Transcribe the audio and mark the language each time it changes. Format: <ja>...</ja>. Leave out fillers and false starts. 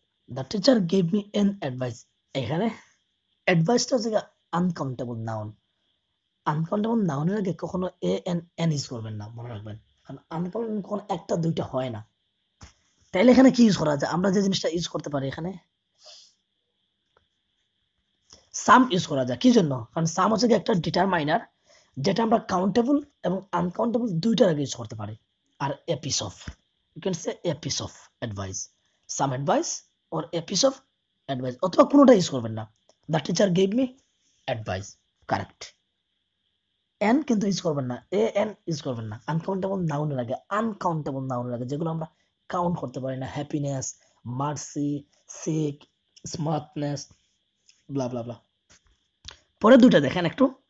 <en>the teacher gave me an advice</en> <bn>এখানে অ্যাডভাইসটা হচ্ছে uncountable noun uncountable নাউনের আগে কখনো এ এন এন ইউজ করবেন না মনে রাখবেন কারণ আনকাউন্টেবল কখনো একটা দুইটা হয় না তাইলে এখানে কি ইউজ করা যায় আমরা যে জিনিসটা ইউজ করতে পারি এখানে সাম ইউজ করা যায় কি জন্য কারণ সাম হচ্ছে একটা ডিটারমাইনার যেটা আমরা কাউন্টেবল এবং আনকাউন্টেবল দুইটার আগে ইউজ করতে পারি</bn> <en>are apiece of. You can say apiece of advice. Some advice or apiece of advice.</en> <bn>অথবা কোনোটা ইউজ করবেন না.</bn> <en>The teacher gave me advice. Correct.</en> <bn>N কিন্তু ইউজ করবেন না, এ এন ইউজ করবেন না. আনকাউন্টেবল নাউন লাগে, আনকাউন্টেবল নাউন লাগে, যেগুলো আমরা কাউন্ট করতে পারি না. হ্যাপিনেস, মার্সি, সিক, স্মার্টনেস, ব্লা ব্লা ব্লা. পরে দুটো দেখেন একটু.</bn>